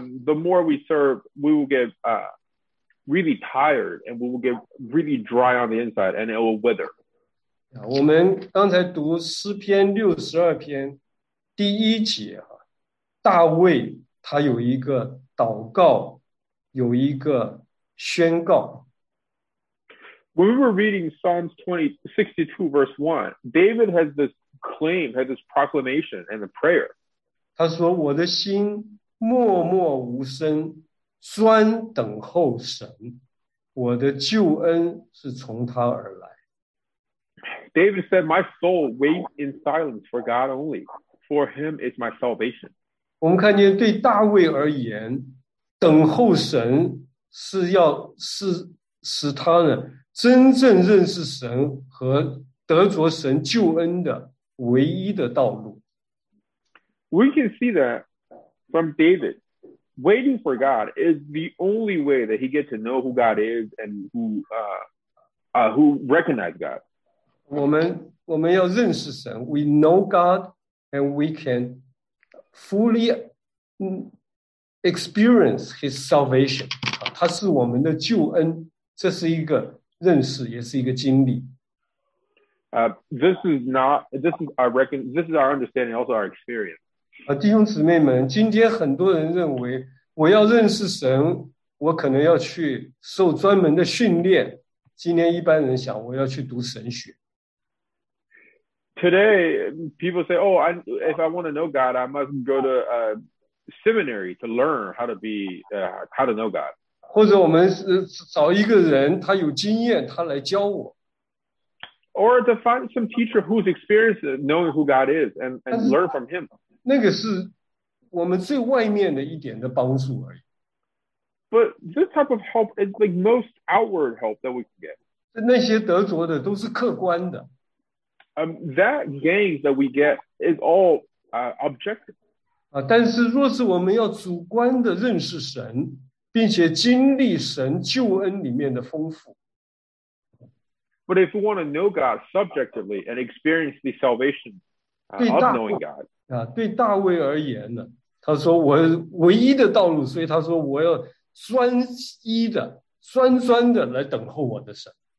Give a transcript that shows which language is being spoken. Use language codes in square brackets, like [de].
[en] The more we serve, we will get really tired, and we will get really dry on the inside, and it will wither. [zh] 我们刚才读诗篇62篇第一节，大卫他有一个祷告，有一个宣告。 [en] When we were reading Psalms 62 verse 1, David has this claim, has this proclamation and a prayer. [zh] 他说我的心默默无声，专等候神，我的救恩是从他而来。 [en] David said, my soul waits in silence for God only, for him is my salvation. [zh] 我们看见对大卫而言，等候神是要是使他呢真正认识神和得着神救恩的唯一的道路。 [en] We can see that from David. Waiting for God is the only way that he gets to know who God is and who recognize God. [zh] 我们要认识神。 [en] We know God and we can fully experience his salvation. [zh] 他是我们的救恩。这是一个认识，也是一个经历。 [en] This is our understanding, also our experience. [zh] 弟兄姊妹们，今天很多人认为我要认识神，我可能要去受专门的训练。今天一般人想我要去读神学。 [en] Today, people say, oh, if I want to know God, I must go to a seminary to learn how to know God. [zh] 或者我们找一个人，他有经验，他来教我。 [en] Or to find some teacher who's experienced knowing who God is and learn from him. [zh] 那个是我们最外面的一点的帮助而已。 [en] But this type of help is the most outward help that we can get. [zh] 那些得着的都是客观的。 [en] That gains that we get is all objective. [zh] 但是若是我们要主观的认识神，并且经历神救恩里面的丰富。 [en] But if we want to know God subjectively and experience the salvation of knowing God, [zh] 对大卫而言呢，他说我唯一的道路，所以他说我要专专的来等候我的神。